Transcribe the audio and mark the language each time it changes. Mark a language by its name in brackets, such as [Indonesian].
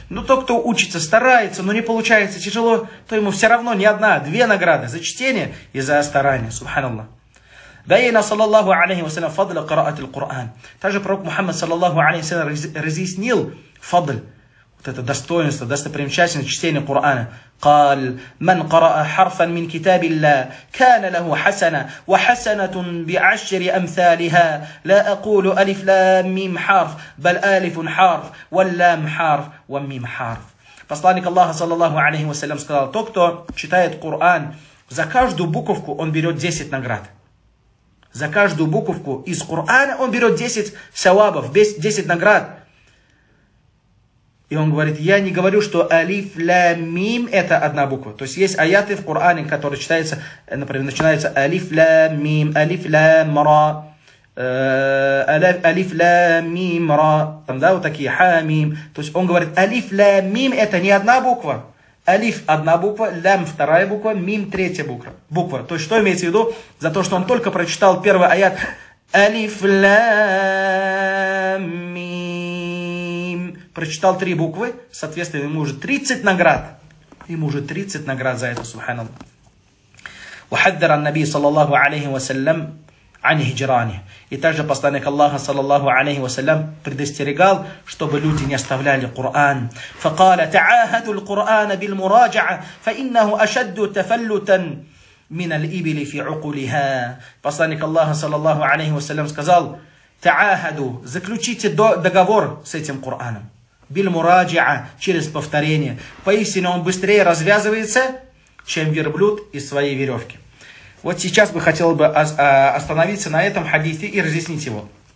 [Russian] Но тот, кто учится, старается, но не получается, тяжело, то ему все равно не одна, две награды за чтение и за старание. Субханаллах. [Arabic] Байна саллаллаху алейхи ва саллям фадла караат аль-Куран. [Russian] Также пророк Мухаммад саллаллаху алейхи ва саллям разъяснил фадл, вот это достоинство, достопримечательность чтения Корана. [Arabic] قال من قرأ حرفا من كتاب الله كان له حسنة وحسنة بعشر أمثالها لا أقول ألف لام ميم حرف بل ألف حرف واللام حرف وميم حرف. [Russian] Посланник Аллаха саллаллаху алейхи ва саллям сказал, тот, кто читает Коран, за каждую буковку он берет 10 наград. За каждую буковку из Корана он берет 10 савабов, 10 наград. И он говорит, я не говорю, что алиф, ля, мим – это одна буква. То есть есть аяты в Коране, которые читаются, например, начинаются алиф, ля, мим, алиф, ля, мра, алиф, ля, мим, мра, там, да, вот такие, ха, мим. То есть он говорит, алиф, ля, мим – это не одна буква. Алиф – одна буква, лям – вторая буква, мим – третья буква. То есть что имеется в виду? За то, что он только прочитал первый аят, алиф, ля, мим. Прочитал три буквы, соответственно, ему уже 30 наград. Ему уже 30 наград за это, субханаллах. [Arabic] وحذر النبي صلى الله عليه وسلم عن هجرانه. [Russian] И также посланник Аллаха, саллаллаху алейхи ва саллям, предостерегал, чтобы люди не оставляли Коран. [Arabic] فقال تعاهدوا القرآن بالمراجعة فإنه أشد تفلتا من الإبل في عقولها. [Russian] Посланник Аллаха, саллаллаху алейхи ва саллям, сказал, تعاهدوا, заключите договор с этим Кораном. Биль-мураджиа, через повторение. Поистине он быстрее развязывается, чем верблюд из своей веревки. Вот сейчас бы хотел бы остановиться на этом хадисе и разъяснить его.